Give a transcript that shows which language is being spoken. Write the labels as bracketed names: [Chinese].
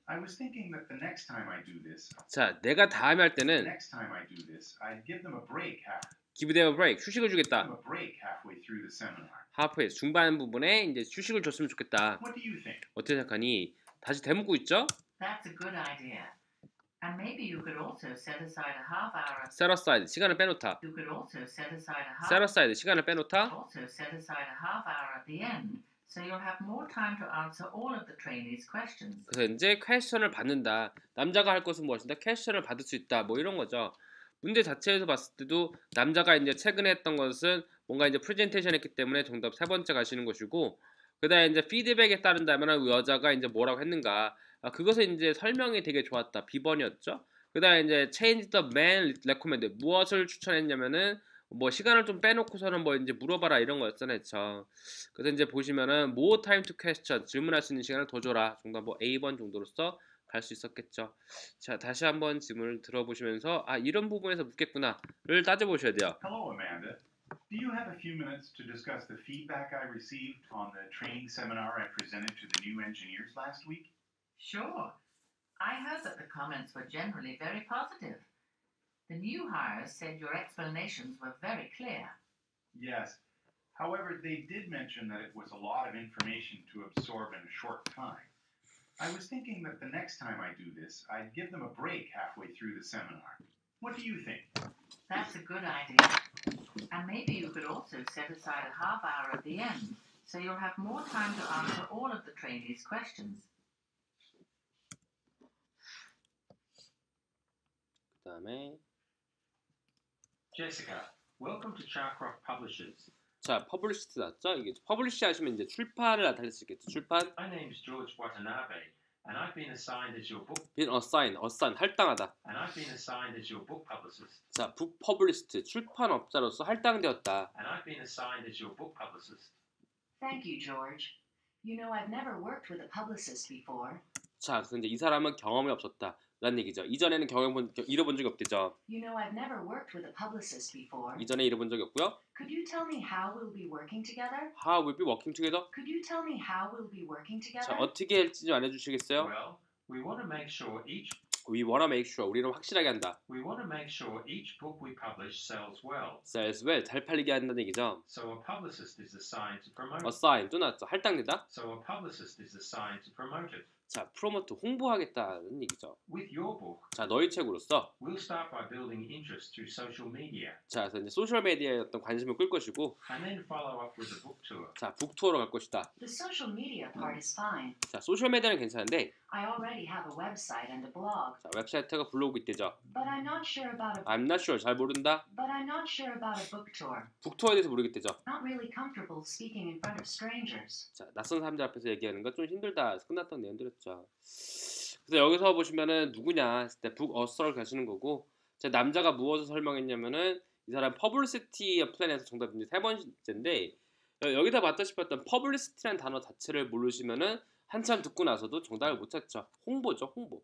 [English] I was thinking that the next time I do this, [Korean] 자, 내가 다음에 할 때는 [English] the next time I do this, I'd give them a break half. Give them a break. [Korean] 휴식을 주겠다. [English] Give them a break halfway through the seminar. [Korean] 하프웨이 중반 부분에 이제 휴식을 줬으면 좋겠다. [English] What do you think? [Korean] 어떻게 생각하니? 다시 되묻고 있죠? [English] That's a good idea. And maybe you could also set aside a half hour. Set aside [Korean] 시간을 빼놓다. [English] You could also set aside a half. Set aside [Korean] 시간을 빼놓다. [English] Also set aside a half hour at the end, so you'll have more time to answer all of the trainees' questions. [Korean] 그래서 이제 퀘스천을 받는다. 남자가 할 것은 무엇인가? 퀘스천을 받을 수 있다. 뭐 이런 거죠. 문제 자체에서 봤을 때도 남자가 이제 최근에 했던 것은 뭔가 이제 프레젠테이션했기 때문에 정답 세 번째 가시는 것이고. 그다음 이제 피드백에 따른다면 여자가 이제 뭐라고 했는가 아, 그것은 이제 설명이 되게 좋았다 비번이었죠. 그다음 이제 [English] change the man recommend [Korean] 무엇을 추천했냐면은 뭐 시간을 좀 빼놓고서는 뭐 이제 물어봐라 이런 거였잖아요. 저. 그래서 이제 보시면은 [English] more time to question [Korean] 질문할 수 있는 시간을 더 줘라 정답 뭐 A번 정도로서 갈 수 있었겠죠. 자 다시 한번 질문을 들어보시면서 아 이런 부분에서 묻겠구나를 따져보셔야 돼요. [English] Hello, Amanda. Do you have a few minutes to discuss the feedback I received on the training seminar I presented to the new engineers last week? Sure. I heard that the comments were generally very positive. The new hires said your explanations were very clear. Yes. However, they did mention that it was a lot of information to absorb in a short time. I was thinking that the next time I do this, I'd give them a break halfway through the seminar. What do you think? That's a good idea. And maybe you could also set aside a half hour at the end, so you'll have more time to answer all of the trainees' questions. [Korean] 그다음에 [English] Jessica, welcome to Charcroft Publishers. [Korean] 자, published 났죠? 이게 publish 하시면 이제 출판을 나타낼 수 있겠죠. 출판. [English] My name is George Watanabe. And I've been assigned as your book. Been assigned, assigned, [Korean] 할당하다. [English] And I've been assigned as your book publicist. [Korean] 자, [English] book publicist, [Korean] 출판업자로서 할당되었다. [English] And I've been assigned as your book publicist. Thank you, George. You know, I've never worked with a publicist before. [Korean] 자, 근데 이 사람은 경험이 없었다. 라는 얘기죠. 이전에는 잃어본 적이 없대죠. [English] You know, I've never worked with a publicist before. [Korean] 이전에 잃어본 적이 없고요. [English] Could you tell me how we'll be working together? How we'll be working together? Could you tell me how we'll be working together? [Korean] 자, 어떻게 할지 좀 알려주시겠어요? [English] Well, we want to make sure each. We want to make sure. [Korean] 우리는 확실하게 한다. [English] We want to make sure each book we publish sells well. Sells well. [Korean] 잘 팔리게 한다는 얘기죠. [English] So a publicist is assigned to promote. [Korean] Assigned. 또 나왔죠. 할당되다. [English] So a publicist is assigned to promote it. [Korean] 자, 프로모트 홍보하겠다는 얘기죠. [English] With your book. [Korean] 자, 너희 책으로서. [English] We'll start by building interest through social media. [Korean] 자, 그래서 이제 소셜 미디어에 어떤 관심을 끌 것이고. [English] And then follow up with a book tour. [Korean] 자, 북 투어로 갈 것이다. [English] The social media part is fine. [Korean] 자, 소셜 미디어는 괜찮은데. [English] I already have a website and a blog. [Korean] 자, 웹사이트가 블로그 있대죠. [English] But I'm not sure about a. I'm not sure. [Korean] 잘 모른다. [English] But I'm not sure about a book tour. [Korean] 북 투어에 대해서 모르겠대죠. [English] Not really comfortable speaking in front of strangers. [Korean] 자, 낯선 사람들 앞에서 얘기하는 건 좀 힘들다. 끝났던 내용들. 자, 그래서 여기서 보시면은 누구냐 했을 때 북 어서를 가시는 거고 제 남자가 무엇을 설명했냐면은 이 사람 퍼블리시티 플랜에서 정답 이제 세 번째인데 여기다 맞다시피 했던 퍼블리시티라는 단어 자체를 모르시면은 한참 듣고 나서도 정답을 못 찾죠. 홍보죠, 홍보.